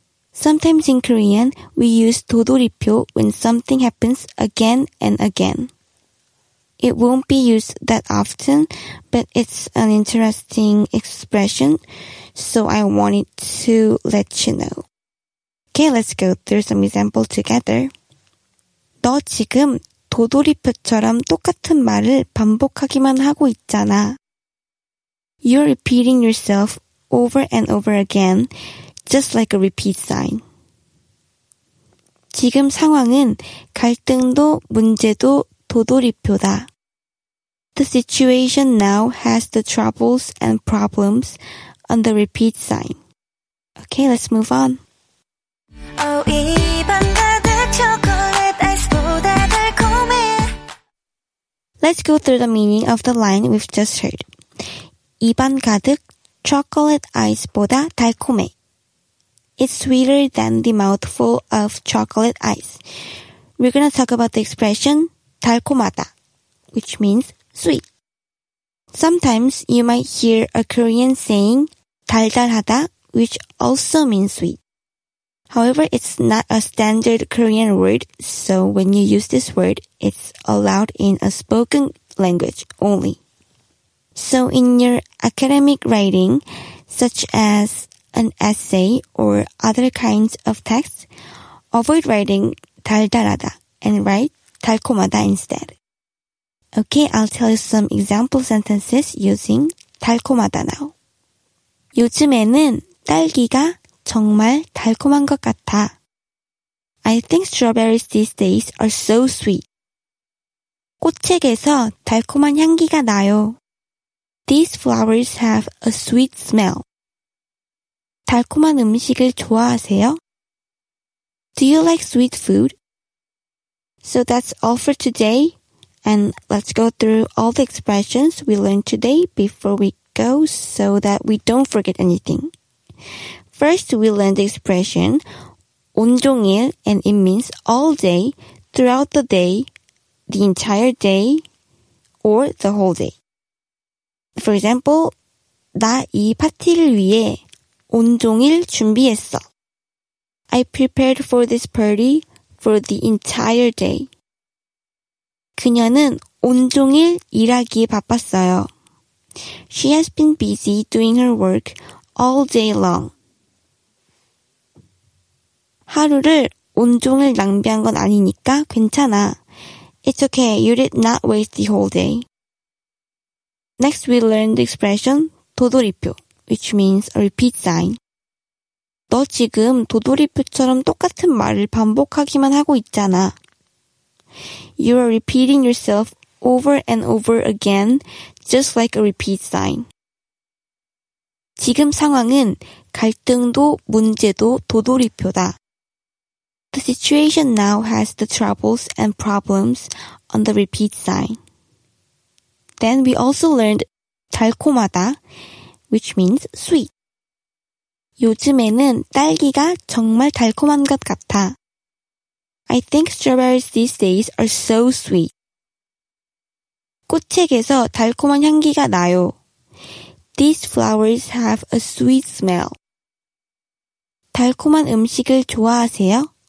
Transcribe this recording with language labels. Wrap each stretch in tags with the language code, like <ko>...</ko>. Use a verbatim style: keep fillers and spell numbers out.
<en>Sometimes in Korean, we use 도돌이표 when something happens again and again. It won't be used that often, but it's an interesting expression, so I wanted to let you know. Okay, let's go through some example together.</en> <ko>너 지금 도돌이표처럼 똑같은 말을 반복하기만 하고 있잖아.</ko> <en>You're repeating yourself over and over again, just like a repeat sign.</en> <ko>지금 상황은 갈등도 문제도 도돌이표다.</ko> <en>The situation now has the troubles and problems on the repeat sign. Okay, let's move on.</en> <ko>Oh, 이밤 가득 초콜릿 아이스보다 달콤해.</ko> <en>Let's go through the meaning of the line we've just heard.</en> <ko>입안 가득 chocolate ice보다 달콤해.</ko> <en>It's sweeter than the mouthful of chocolate ice. We're gonna talk about the expression 달콤하다, which means sweet. Sometimes you might hear a Korean saying 달달하다, which also means sweet. However, it's not a standard Korean word, so when you use this word, it's allowed in a spoken language only. So in your academic writing, such as an essay or other kinds of text, avoid writing 달달하다 and write 달콤하다 instead. Okay, I'll tell you some example sentences using 달콤하다 now.</en> <ko>요즘에는 딸기가 정말 달콤한 것 같아.</ko> <en>I think strawberries these days are so sweet.</en> <ko>꽃책에서 달콤한 향기가 나요.</ko> <en>These flowers have a sweet smell.</en> <ko>달콤한 음식을 좋아하세요?</ko> <en>Do you like sweet food? So that's all for today. And let's go through all the expressions we learned today before we go so that we don't forget anything. First, we learned the expression 온종일, and it means all day, throughout the day, the entire day, or the whole day. For example,</en> <ko>나 이 파티를 위해 온종일 준비했어.</ko> <en>I prepared for this party for the entire day.</en> <ko>그녀는 온종일 일하기에 바빴어요.</ko> <en>She has been busy doing her work all day long.</en> <ko>하루를 온종일 낭비한 건 아니니까 괜찮아.</ko> <en>It's okay, you did not waste the whole day. Next, we learned the expression 도돌이표, which means a repeat sign.</en> <ko>너 지금 도돌이표처럼 똑같은 말을 반복하기만 하고 있잖아.</ko> <en>You are repeating yourself over and over again, just like a repeat sign.</en> <ko>지금 상황은 갈등도 문제도 도돌이표다.</ko> <en>The situation now has the troubles and problems on the repeat sign. Then we also learned 달콤하다, which means sweet.</en> <ko>요즘에는 딸기가 정말 달콤한 것 같아.</ko> <en>I think strawberries these days are so sweet.</en> <ko>꽃책에서 달콤한 향기가 나요.</ko> <en>These flowers have a sweet smell.</en> <ko>달콤한 음식을 좋아하세요?</ko>